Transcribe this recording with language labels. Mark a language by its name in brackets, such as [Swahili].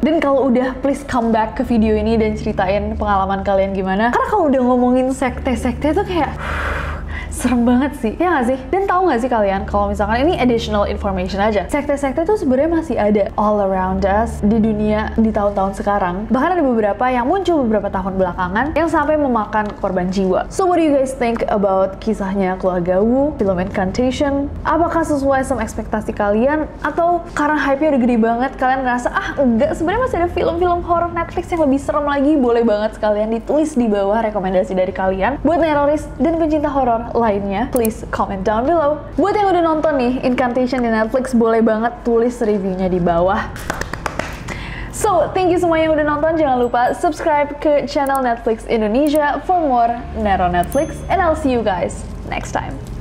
[Indonesian] Dan kalau udah, [English] please come back [Indonesian] ke video ini dan ceritain pengalaman kalian gimana, karena kalau udah ngomongin sekte-sekte tuh kayak serem banget sih, ya gak sih? Dan tahu gak sih kalian, kalau misalkan ini [English] additional information [Indonesian] aja, sekte-sekte tuh sebenarnya masih ada [English] all around us [Indonesian] di dunia di tahun-tahun sekarang. Bahkan ada beberapa yang muncul beberapa tahun belakangan yang sampai memakan korban jiwa. [English] So what do you guys think about [Indonesian] kisahnya keluarga [English] Wu, film Incantation? [Indonesian] Apakah sesuai sama ekspektasi kalian? Atau karena hype-nya udah gede banget, kalian ngerasa ah enggak, sebenarnya masih ada film-film horror Netflix yang lebih serem lagi? Boleh banget sekalian ditulis di bawah rekomendasi dari kalian buat Neroris dan pencinta horror lainnya, [English] please comment down below. [Indonesian] Buat yang udah nonton nih Incantation di Netflix, boleh banget tulis reviewnya di bawah. [English] So, thank you [Indonesian] semua yang udah nonton. Jangan lupa subscribe ke channel Netflix Indonesia [English] for more Nero Netflix, and I'll see you guys next time.